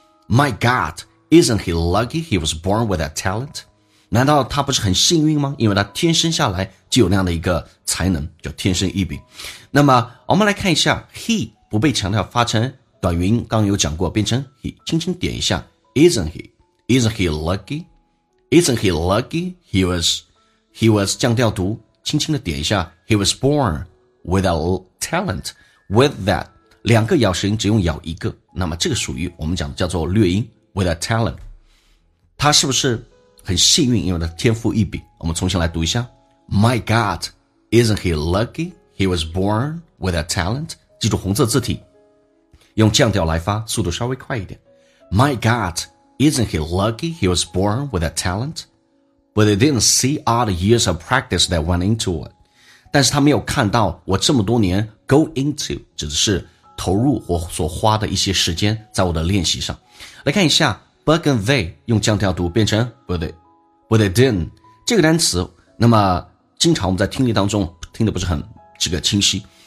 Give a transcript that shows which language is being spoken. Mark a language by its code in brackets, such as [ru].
[en] My God, isn't he lucky he was born with that talent? [zh] 难道他不是很幸运吗？因为他天生下来就有那样的一个才能，叫天生异禀。那么我们来看一下 he 不被强调，发成短元音，刚刚有讲过变成 he， 轻轻点一下 [en] isn't he lucky he was [zh] 降调读，轻轻的点一下 [en] he was born with a talent with that， [zh] 两个咬舌音只用咬一个，那么这个属于我们讲的叫做略音 [en] with a talent， [zh] 他是不是很幸运，因为他天赋异禀。我们重新来读一下 [en] My God, isn't he lucky he was born with a talent， [zh] 记住红色字体用降调来发，速度稍微快一点。 [en] My God, isn't he lucky he was born with a talent? But he didn't see all the years of practice that went into it. [zh] 但是他没有看到我这么多年 [en] go into, [zh] 指的是投入我所花的一些时间在我的练习上。来看一下 [en] bug and they, [zh] 用降调读变成 [en] but they didn't. [zh] 这个单词，那么经常我们在听力当中听得不是很这个清晰。